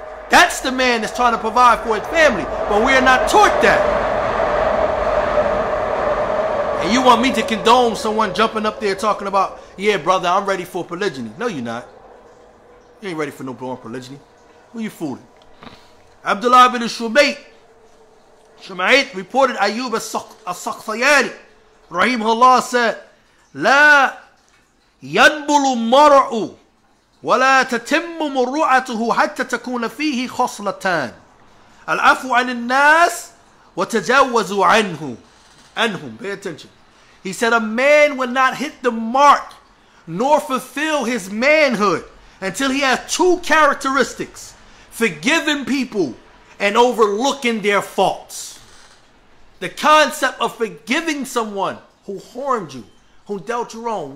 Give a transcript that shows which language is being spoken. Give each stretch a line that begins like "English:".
English: That's the man that's trying to provide for his family. But we are not taught that. And you want me to condone someone jumping up there talking about, yeah, brother, I'm ready for polygyny. No, you're not. You ain't ready for no born polygyny. Who you fooling? Abdullah ibn Shumait reported Ayyub al-Sakhthiyani, rahimahullah, said,
Arabic: لا ينبل مرء ولا تتم مروعته حتى تكون فيه خصلتان العفو عن الناس وتجاوز عنه عنهم.
English: Pay attention. He said a man will not hit the mark nor fulfill his manhood until he has two characteristics: forgiving people and overlooking their faults. The concept of forgiving someone who harmed you, who dealt you wrong.